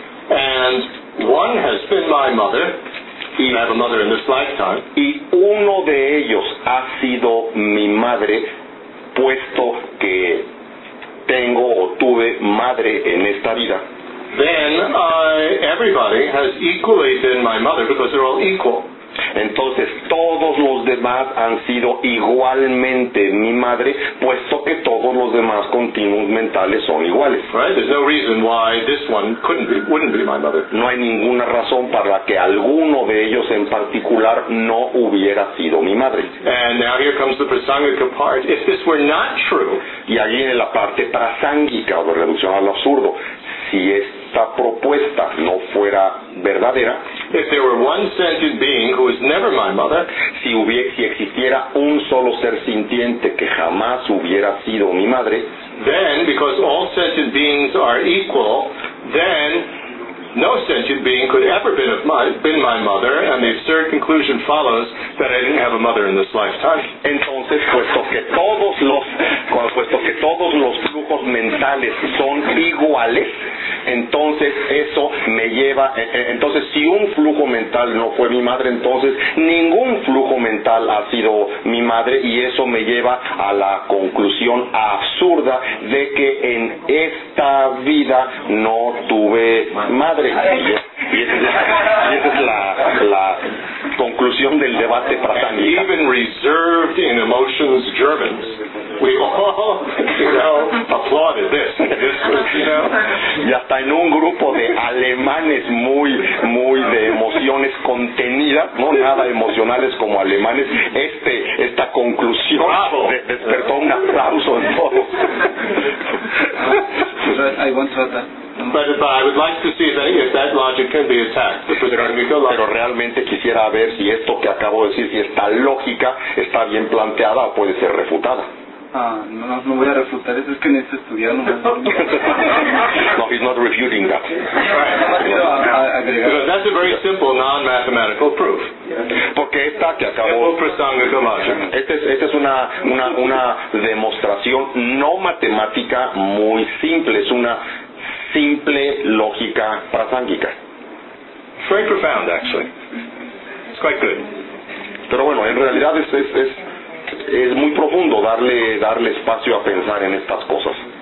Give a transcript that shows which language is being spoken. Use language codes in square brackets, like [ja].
[en] and one has been my mother, y I have a mother in this lifetime, [es] y uno de ellos ha sido mi madre, puesto que tengo o tuve madre en esta vida, [en] then everybody has equally been my mother because they're all equal. [es] Entonces todos los demás han sido igualmente mi madre, puesto que todos los demás continuos mentales son iguales. [en] Right? There's no reason why this one wouldn't be my mother. [es] No hay ninguna razón para que alguno de ellos en particular no hubiera sido mi madre. [en] And now here comes the prasangika part. If this were not true, [es] y ahí viene la parte prasangika o de reducción al absurdo. Si esta propuesta no fuera verdadera, [en] if there were one sentient being who is never my mother, [es] si existiera un solo ser sintiente que jamás hubiera sido mi madre, [en] then because all sentient beings are equal, then no sentient being could ever been my mother, and the absurd conclusion follows that I didn't have a mother in this lifetime. [es] Entonces, puesto que todos los flujos mentales son iguales, entonces eso me lleva, entonces si un flujo mental no fue mi madre, entonces ningún flujo mental ha sido mi madre, y eso me lleva a la conclusión absurda de que en esta vida no tuve madre. Y esa es la conclusión del debate prasánica. [en] And even reserved in emotions Germans, we all, you know, applauded this. [es] Y hasta en un grupo de alemanes muy de emociones contenidas, no nada emocionales como alemanes, esta conclusión despertó un aplauso en todos. [en] I want to add that. But I would like to see if that logic can be attacked. [es] Pero realmente quisiera ver si esto que acabo de decir, si esta lógica está bien planteada o puede ser refutada. No voy a refutar eso, es que necesito estudiar nomás. [en] No, he's not refuting that. Because that's a very simple non-mathematical proof. [es] Porque esta que acabo... Esta es una demostración no matemática muy simple, es una simple lógica prasángica. [en] Very profound, actually. It's quite good. [es] Pero bueno, en realidad es muy profundo darle espacio a pensar en estas cosas.